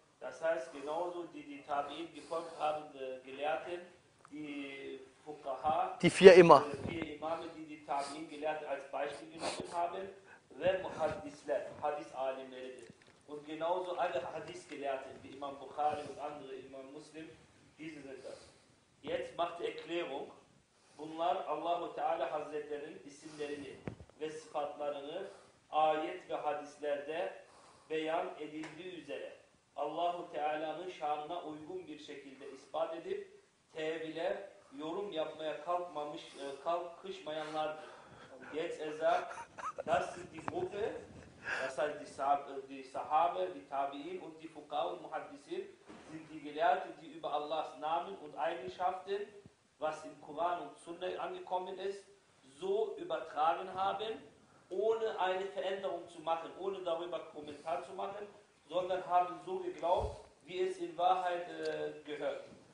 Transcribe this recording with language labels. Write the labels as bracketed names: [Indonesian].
[German] Das heißt, genauso die Tabi'in gefolgt haben, gelehrten, die Fukaha, die vier immer. Vier Imame, die Tabi'in gelehrt als Beispiel genommen haben, [Turkish] ve muhaddisler, Hadis-Alimleridir. [German] Und genauso alle Hadis-Gelehrten, wie Imam Bukhari und andere Imam Muslim, diese sind das. Jetzt macht die Erklärung, [Turkish] bunlar Allahu Teala Hazretlerin isimlerini ve sıfatlarını ayet ve hadislerde beyan edildiği üzere Allahu Teala'nın şanına uygun bir şekilde ispat edip tevile yorum yapmaya kalkışmayanlardır. [German] Jetzt er sagt, das sind die Gruppe, das heißt die Sahabe, die Tabi'in und die Fuqaha und Muhaddisin sind die Gelehrten, die über Allahs Namen und Eigenschaften, was im Koran und Sunna angekommen ist, so übertragen haben, ohne eine Veränderung zu machen, ohne darüber Kommentar zu machen, sondern haben so geglaubt, wie es in Wahrheit gehört.